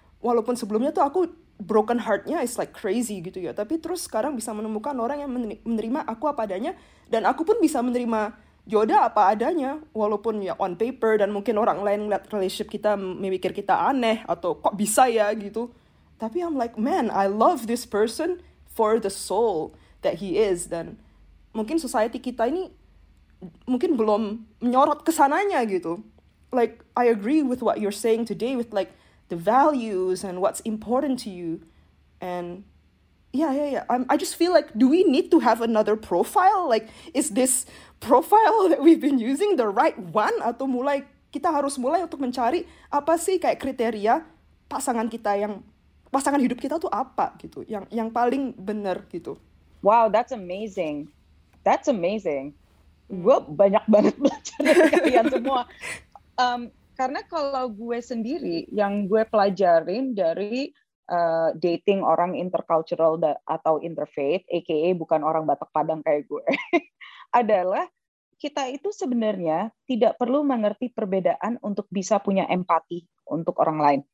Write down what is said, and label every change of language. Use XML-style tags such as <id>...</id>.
<id>Walaupun sebelumnya tuh aku broken heartnya is like crazy gitu ya. Tapi terus sekarang bisa menemukan orang yang menerima aku apa adanya. Dan aku pun bisa menerima Yoda apa adanya. Walaupun ya on paper dan mungkin orang lain ngeliat relationship kita, memikir kita aneh atau kok bisa ya gitu.</id> <en>Tapi I'm like, man, I love this person for the soul that he is.</en> <id>Dan mungkin society kita ini mungkin belum menyorot kesananya gitu.</id> <en>Like, I agree with what you're saying today with like the values and what's important to you. And yeah. I just feel like, do we need to have another profile? Like, is this profile that we've been using the right one?</en> <id>Atau mulai, kita harus mulai untuk mencari apa sih kayak kriteria pasangan kita yang, pasangan hidup kita tuh apa gitu, yang paling benar gitu.</id> <en>Wow, that's amazing.</en> <id>Gue banyak banget belajar dari kalian semua. Karena kalau gue sendiri, yang gue pelajarin dari dating orang intercultural atau interfaith, aka bukan orang Batak Padang kayak gue, adalah kita itu sebenarnya tidak perlu mengerti perbedaan untuk bisa punya empati untuk orang lain.</id>